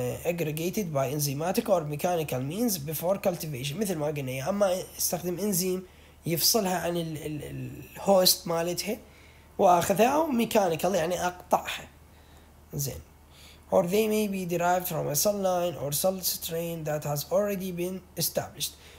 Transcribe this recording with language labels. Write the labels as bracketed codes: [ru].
[en] aggregated by enzymatic or mechanical means before cultivation. [ar] مثل ما قلنا، يا أما استخدم إنزيم يفصلها عن الهوست مالتها وأخذها، أو ميكانيكال يعني أقطعها. زين. [en] Or they may be derived from a cell line or cell strain that has already been established.